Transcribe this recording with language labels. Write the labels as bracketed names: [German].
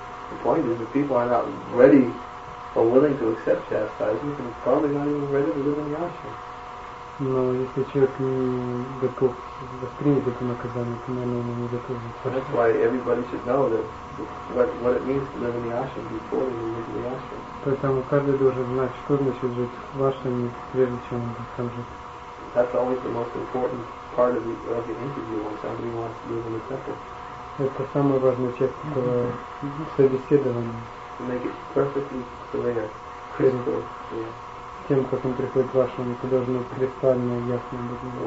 [English] The point is, if people are not ready or willing to accept chastisement, then probably not even ready to live in the ashram. [Russian] Но если человек не готов воспринять это наказание, то, наверное, он не готов. [English] That's why everybody should know that what it means to live in the ashram before you live in the ashram. [Russian] Поэтому каждый должен знать, что значит жить в ашраме, прежде чем он там жить. [English] That's always the most important part of the interview when somebody wants to live in the temple. [Russian] Это самая важная часть этого собеседования. [English] To make it perfectly clear, crystal clear. [Russian] Тем, как он приходит в ашраму, это должно кристально и ясно быть.